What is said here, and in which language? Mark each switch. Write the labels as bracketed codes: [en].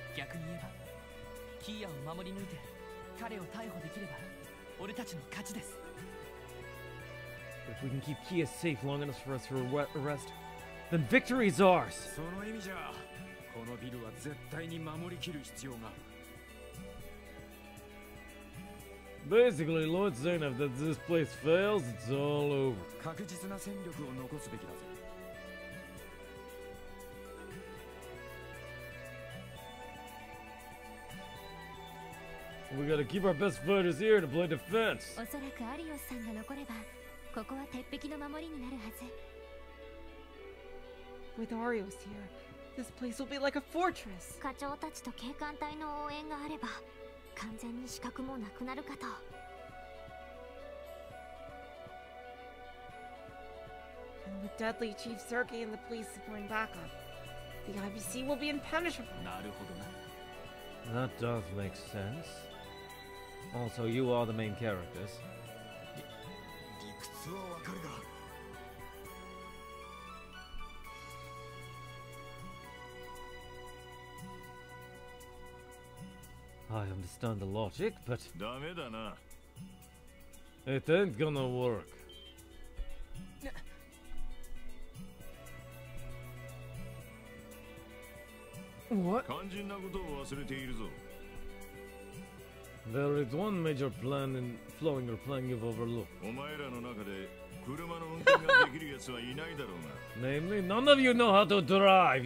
[ja] 逆に言えば、Kia を守り抜いて彼を逮捕できれば、俺たちの勝ちです。 [en] If we can keep Kia safe long enough for us to arrest, then victory is ours! [ja] その意味じゃ、このビルは絶対に守りきる必要が。 [en] Basically, Lord Zane, if this place fails, it's all over. [ja] 確実な戦力を残すべきだぜ。 [en] We gotta keep our best fighters here to play defense. [ja] おそらくアリオスさんが残れば、ここは鉄壁の守りになるはず。 [en] With Arios here, this place will be like a fortress. [ja] 課長たちと警官隊の応援があれば、完全に死角もなくなるかと。 [en] And with deadly Chief Sergei and the police supporting backup, the IBC will be impenetrable. [ja] なるほどな。 [en] That does make sense. Also, you are the main characters. [ja] 理屈はわかるが。 [en] I understand the logic, but... [ja] ダメだな. [en] It ain't gonna work. What? [ja] 肝心なことを忘れているぞ. [en] There is one major plan in flowing your plan you've overlooked. [ja] お前らの中で車の運転ができるやつはいないだろうな. [en] Namely, none of you know how to drive.